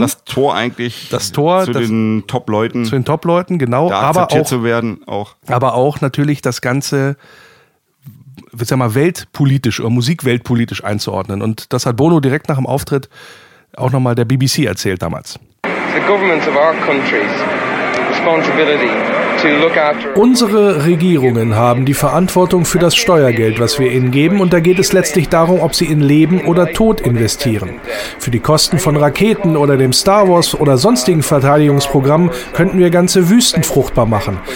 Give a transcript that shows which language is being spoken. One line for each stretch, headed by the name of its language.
German: Das war das Tor eigentlich. Das Tor. Zu den Top-Leuten, genau. Da aber akzeptiert auch, zu werden, auch. Aber auch natürlich das Ganze, ich sag mal, weltpolitisch oder musikweltpolitisch einzuordnen. Und das hat Bono direkt nach dem Auftritt auch nochmal der BBC erzählt damals.
English: The government of our country's responsibility.
German: Unsere Regierungen haben die Verantwortung für das Steuergeld, was wir ihnen geben, und da geht es letztlich darum, ob sie in Leben oder Tod investieren. Für die Kosten von Raketen oder dem Star Wars oder sonstigen Verteidigungsprogrammen könnten wir ganze Wüsten fruchtbar machen.